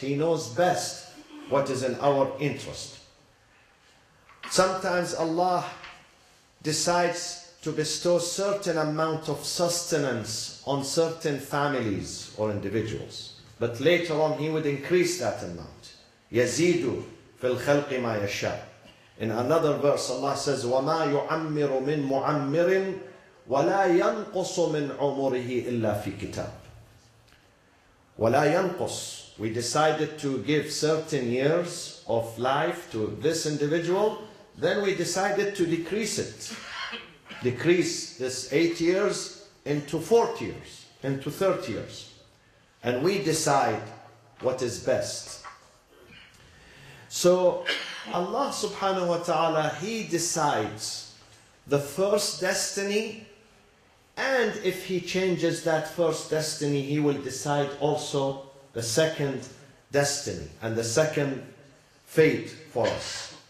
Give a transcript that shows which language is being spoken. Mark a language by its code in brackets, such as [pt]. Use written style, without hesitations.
[en] He knows best what is in our interest. Sometimes Allah decides to bestow certain amount of sustenance on certain families or individuals. But later on, He would increase that amount. [ar] يَزِيدُ فِي الْخَلْقِ مَا يَشَاءُ. [en] In another verse, Allah says, [ar] وَمَا يُعَمِّرُ مِنْ مُعَمِّرٍ وَلَا يَنْقُصُ مِنْ عُمُرِهِ إِلَّا فِي كِتَابٍ. وَلَا يَنْقُصُ. [en] We decided to give certain years of life to this individual, then we decided to decrease it. Decrease this 8 years into 4 years, into 30 years. And we decide what is best. So Allah subhanahu wa ta'ala, He decides the first destiny, and if He changes that first destiny, He will decide also the second destiny and the second fate for us.